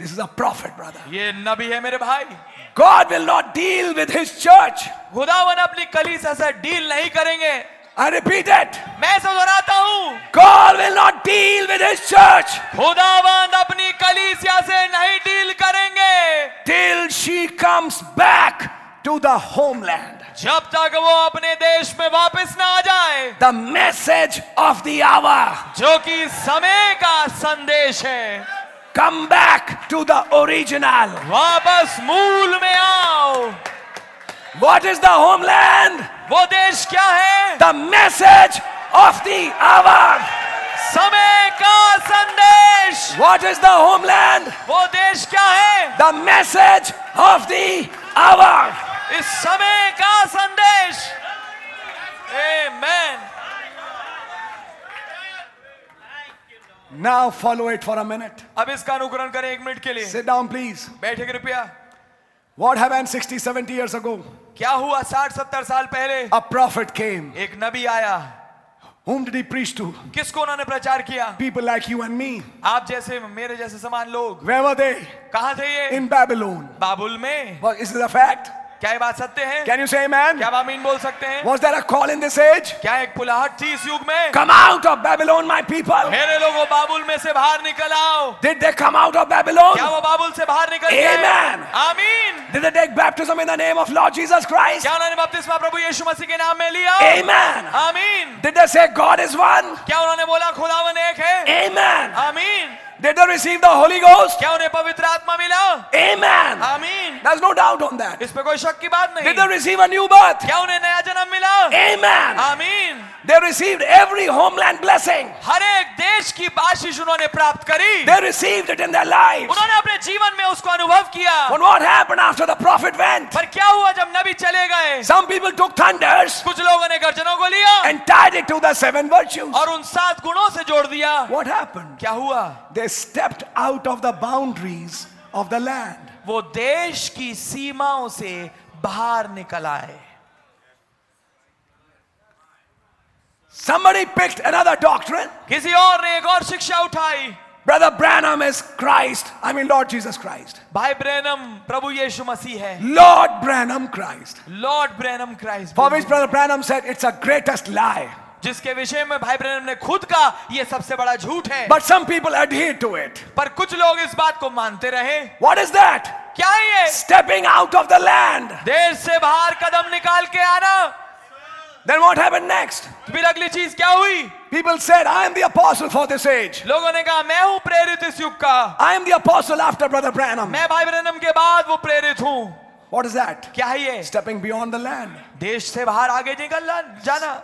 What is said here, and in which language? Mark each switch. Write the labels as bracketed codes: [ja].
[en] This is a prophet, brother. [hi] ये नबी है मेरे भाई। [en] God will not deal with his church. [hi] खुदावन अपनी कलीसिया से डील नहीं करेंगे। [en] I repeat it. [hi] मैं इसे दोहराता हूँ। [en] God will not deal with his church. [hi] खुदावन अपनी कलीसिया से नहीं डील करेंगे। [en] Till she comes back to the homeland. [hi] जब तक वो अपने देश में वापस ना आ जाए। [en] the message of the hour, [hi] जो कि समय का संदेश है। [en] come back to the original, [hi] वापस मूल में आओ। [en] what is the homeland, [hi] वो देश क्या है? [en] the message of the hour, [hi] समय का संदेश। [en] what is the homeland, [hi] वो देश क्या है? [en] the message of the hour. [hi] इस समय का संदेश. Amen. [en] Now follow it for a minute. [hi] अब इसका अनुकरण करें एक मिनट के लिए. [en] Sit down, please. [hi] बैठे कृपया. [en] What happened 60, 70 years ago? [hi] क्या हुआ 60-70 साल पहले? [en] A prophet came. [hi] एक नबी आया. [en] Whom did he preach to? [hi] किसको उन्होंने प्रचार किया? [en] People like you and me. [hi] आप जैसे मेरे जैसे समान लोग. [en] Where were they? [hi] कहाँ थे ये? [en] In Babylon. [hi] बाबुल में. [en] Well, is this a fact? [hi] क्या ये बात सत्य है? [en] Can you say amen? [hi] क्या आमीन बोल सकते हैं? [en] Was there a call in this age? [hi] क्या एक पुलाहट थी इस युग में? [en] Come out of Babylon, my people. [hi] मेरे लोगों बाबुल में से बाहर निकल आओ. [en] Did they come out of Babylon? [hi] क्या वो बाबुल से बाहर निकल गए? Amen. आमीन. [en] Did they take baptism in the name of Lord Jesus Christ? [hi] क्या उन्होंने बपतिस्मा प्रभु यीशु मसीह के नाम में लिया? [en] Amen. [hi] आमीन. [en] Did they say God is one? [hi] क्या उन्होंने बोला खुदावन एक है? [en] Amen. [hi] आमीन. [en] Did they receive the Holy Ghost? [hi] क्या उन्हें पवित्र आत्मा मिला? [en] Amen. Amen. There's no doubt on that. [hi] इस पे कोई शक की बात नहीं. [en] Did they receive a new birth? [hi] क्या उन्हें नया जन्म मिला? [en] Amen. Amen. They received every homeland blessing. [hi] हर एक देश की आशीष उन्होंने प्राप्त करी. [en] They received it in their lives. [hi] उन्होंने अपने जीवन में उसको अनुभव किया. [en] But what happened after the prophet went? [hi] पर क्या हुआ जब नबी चले गए? [en] Some people took thunders. [hi] कुछ लोगों ने गर्जनों को लिया. [en] And tied it to the seven virtues. [hi] और उन सात गुणों से जोड़ दिया. [en] What happened? [hi] क्या हुआ? [en] They stepped out of the boundaries of the land. [hi] वो देश की सीमाओं से बाहर निकल आए. [en] Somebody picked another doctrine. [hi] किसी और ने एक और शिक्षा उठाई. [en] Brother Branham is Christ. I mean Lord Jesus Christ. [hi] भाई ब्रैनम प्रभु यीशु मसीह है. [en] Lord Branham Christ. Lord Branham Christ. For which Brother Branham said it's a greatest lie. [hi] जिसके विषय में भाई ब्रैनम ने खुद कहा ये सबसे बड़ा झूठ है. [en] But some people adhere to it. [hi] पर कुछ लोग इस बात को मानते रहे. [en] What is that? [hi] क्या ये? [en] Stepping out of the land. [hi] देश से बाहर कदम निकाल के आना. [en] Then what happened next? [hi] फिर अगली चीज क्या हुई? [en] People said, I am the apostle for this age. [hi] लोगों ने कहा मैं हूँ प्रेरित इस युग का. [en] I am the apostle after Brother Branham. [hi] मैं भाई ब्रैनम के बाद वो प्रेरित हूँ. [en] What is that? [hi] क्या है ये? [en] Stepping beyond the land. [hi] देश से बाहर आगे निकल जाना.